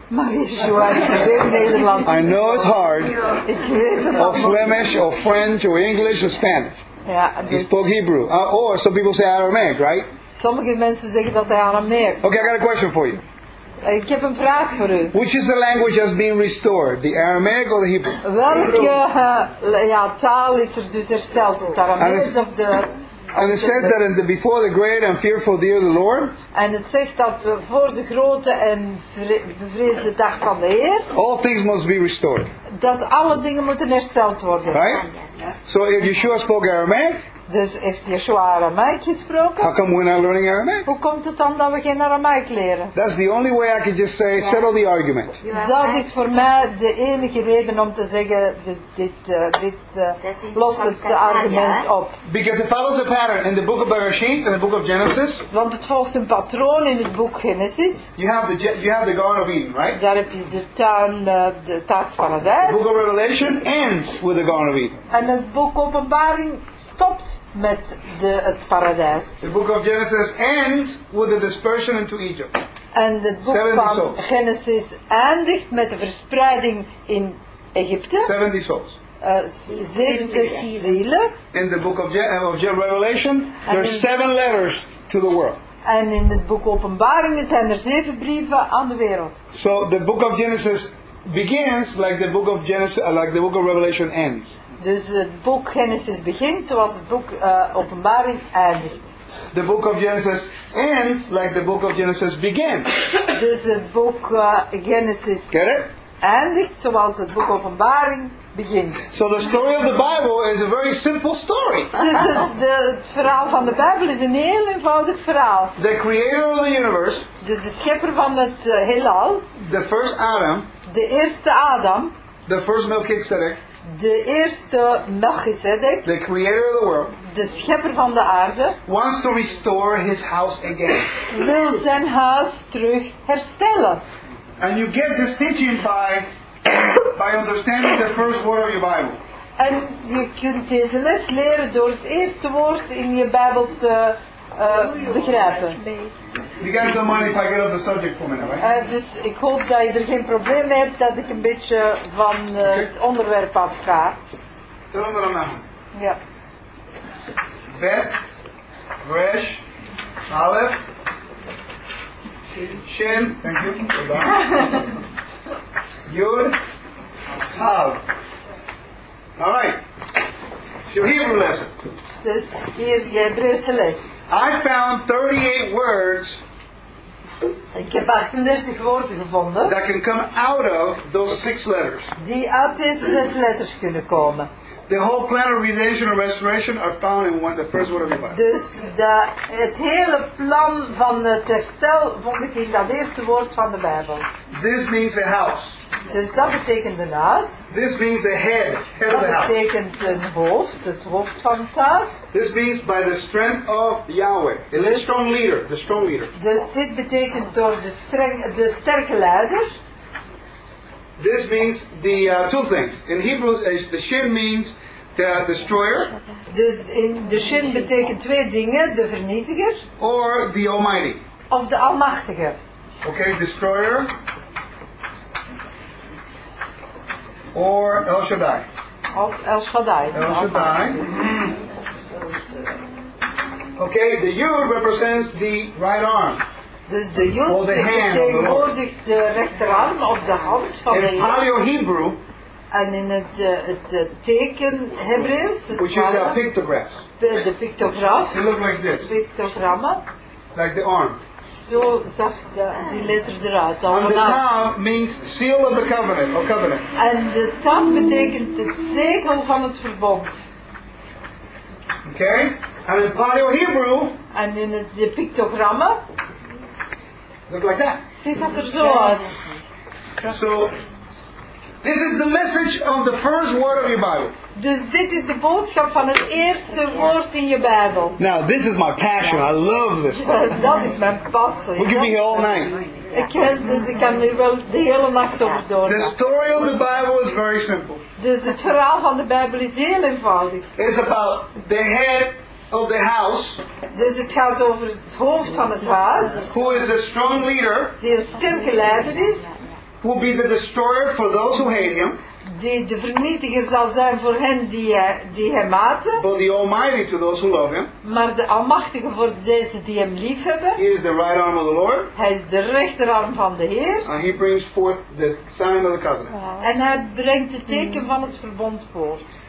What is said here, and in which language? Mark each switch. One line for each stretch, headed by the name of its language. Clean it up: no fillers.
Dutch: Maar Yeshua heeft geen Nederlands.
English: I know it's hard.
Dutch: Ik weet het.
English: Of Flemish, of French, of English, or Spanish.
Dutch: Ja, dus
English: he spoke Hebrew. Or some people say Aramaic, right?
Dutch: Sommige mensen zeggen dat hij Aramaic.
English: Okay, I got a question for you.
Dutch: Ik heb een vraag voor u.
English: Which is the language that's being restored, the Aramaic or the Hebrew?
Dutch: Welke taal is er dus hersteld, het Aramaic of de?
English: And it says that in the before the great and fearful day of the Lord.
Dutch: En het zegt dat voor de grote en bevreesde dag van de Heer.
English: All things must be restored.
Dutch: Dat alle dingen moeten hersteld worden.
English: Right? So if Yeshua spoke Aramaic.
Dutch: Dus heeft Yeshua Aramaic gesproken?
English: How come we're not learning Aramaic?
Dutch: Hoe komt het dan dat we geen Aramaic leren?
English: That's the only way I can just say settle the argument.
Dutch: Dat is voor mij de enige reden om te zeggen, dus dit lost het argument op.
English: Because it follows a pattern in the book of Bereshit and the book of Genesis.
Dutch: Want het volgt een patroon in het boek Genesis.
English: You have the Garden of Eden, right?
Dutch: Daar heb je de tuin, de tas van het huis.
English: The book of Revelation ends with the Garden of Eden.
Dutch: En het boek Openbaring stopt met het paradijs.
English: The book of Genesis ends with the dispersion into Egypt.
Dutch: En het boek van Genesis eindigt met de verspreiding in Egypte.
English: 70 souls.
Dutch: 70 zielen.
English: In the book of Revelation, there are 7 letters to the world.
Dutch: En in het boek Openbaring zijn er 7 brieven aan de wereld.
English: So the book of Genesis begins like the book of Genesis, like the book of Revelation ends.
Dutch: Dus het boek Genesis begint zoals het boek Openbaring eindigt.
English: The book of Genesis ends like the book of Genesis begins.
Dutch: Dus het boek Genesis
English: get it?
Dutch: Eindigt zoals het boek Openbaring begint.
English: So the story of the Bible is a very simple story.
Dutch: Dus het verhaal van de Bijbel is een heel eenvoudig verhaal.
English: The creator of the universe.
Dutch: Dus de schepper van het heelal.
English: The first Adam.
Dutch: De eerste Adam.
English: The first Melchizedek.
Dutch: De eerste Melchizedek,
English: the creator of the world,
Dutch: de schepper van de aarde,
English: wants to restore his house again.
Dutch: Wil zijn huis terug herstellen.
English: And you get this teaching by understanding the first word of your Bible.
Dutch: En je kunt deze les leren door het eerste woord in je Bijbel te begrijpen.
English: You guys don't mind if I get off the subject for a minute, right?
Dutch: Dus ik hoop dat je er geen probleem mee hebt dat ik een beetje van het onderwerp af ga.
English: Tell them what I'm asking.
Dutch: Ja.
English: Bet, Resh, Aleph, Shin, thank you. Yud, Tav. Alright. It's your Hebrew lesson.
Dutch: Dus hier je Hebreeuwse les.
English: I found 38 words.
Dutch: Ik heb 38 woorden gevonden.
English: That can come out of those 6 letters.
Dutch: Die uit deze 6 letters kunnen komen.
English: The whole plan of redemption and restoration are found in one, the first word of the Bible.
Dutch: Dus het hele plan van het herstel vond ik in dat eerste woord van de Bijbel.
English: This means a house.
Dutch: Dus dat betekent een huis.
English: This means a head. Head
Dutch: dat
English: of the
Dutch: betekent
English: house.
Dutch: Een hoofd, het hoofd van het huis.
English: This means by the strength of Yahweh, the strong leader.
Dutch: Dus dit betekent door de sterke leider.
English: This means the two things. In Hebrew, the shin means the destroyer.
Dutch: Dus in de shin betekent twee dingen, de vernietiger.
English: Or the almighty.
Dutch: Of de almachtige.
English: Okay, destroyer. Or El Shaddai.
Dutch: Of El Shaddai. El Shaddai.
English: Okay, the yud represents the right arm.
Dutch: Dus de yud vertegenwoordigt de rechterarm of de hand van de Heer.
English: In Paleo Hebrew.
Dutch: En in het teken Hebreeuws.
English: Which is a pictograph.
Dutch: De pictograph.
English: It looks like this.
Dutch: Pictogramma.
English: Like the arm.
Dutch: Zo zag die letter eruit.
English: And the tav means seal of the covenant or covenant.
Dutch: En de tav betekent het zegel van het verbond.
English: Okay. And in Paleo Hebrew.
Dutch: En in het pictogramma.
English: Look like that.
Dutch: Ziet dat er zo uit.
English: So, this is the message of the first word of your Bible.
Dutch: Dus dit is de boodschap van het eerste woord in je Bijbel.
English: Now, this is my passion. I love this.
Dutch: Dat is mijn passie.
English: We can be here all night.
Dutch: Ik kan nu wel de hele nacht over doorgaan.
English: The story of the Bible is very simple.
Dutch: Dus het verhaal van de Bijbel is heel eenvoudig.
English: It's about the head of the house.
Dutch: Dus het gaat over het hoofd van het huis.
English: Who is a strong leader?
Dutch: Die een sterke leider is.
English: Who will be the destroyer for those who hate him?
Dutch: Die de vernietiger zal zijn voor hen die hem haten.
English: But the almighty to those who love him.
Dutch: Maar de almachtige voor deze die hem lief hebben.
English: He is the right arm of the Lord.
Dutch: Hij is de rechterarm van de Heer.
English: And he brings forth the sign of the covenant. Wow.
Dutch: En hij brengt het teken van het verbond voor.